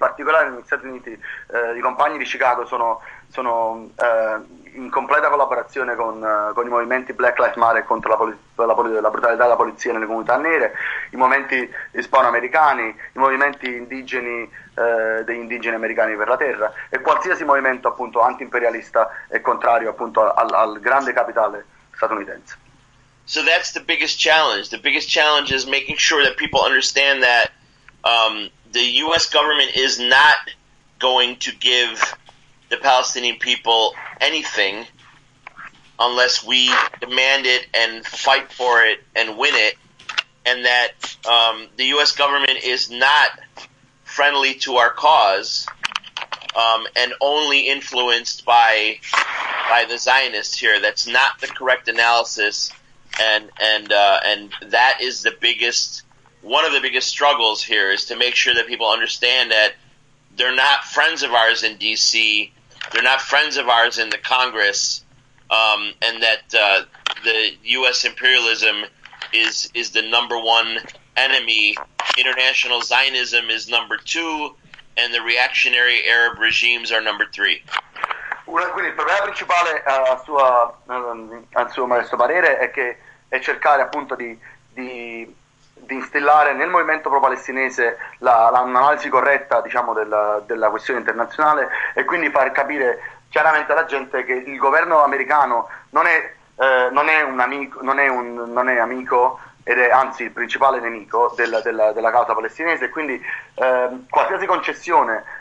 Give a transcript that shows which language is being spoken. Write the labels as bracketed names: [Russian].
[Italian] In particolare negli Stati Uniti i compagni di Chicago sono in completa collaborazione con i movimenti Black Lives Matter contro la brutalità della polizia nelle comunità nere, i movimenti ispano-americani, i movimenti indigeni, degli indigeni americani per la terra, e qualsiasi movimento appunto antiimperialista e contrario appunto al grande capitale statunitense. [English] So that's the biggest challenge. The biggest challenge is making sure that people understand that the U.S. government is not going to give the Palestinian people anything unless we demand it and fight for it and win it, and that the U.S. government is not friendly to our cause and only influenced by the Zionists here. That's not the correct analysis. And that is the biggest, one of the biggest struggles here, is to make sure that people understand that they're not friends of ours in D.C., they're not friends of ours in the Congress, and that the U.S. imperialism is the number one enemy. International Zionism is number two, and the reactionary Arab regimes are number three. [Italian] Quindi il problema principale a suo parere è cercare appunto di instillare nel movimento pro-palestinese l'analisi corretta, diciamo, della questione internazionale, e quindi far capire chiaramente alla gente che il governo americano non è amico ed è anzi il principale nemico della causa palestinese, e quindi qualsiasi concessione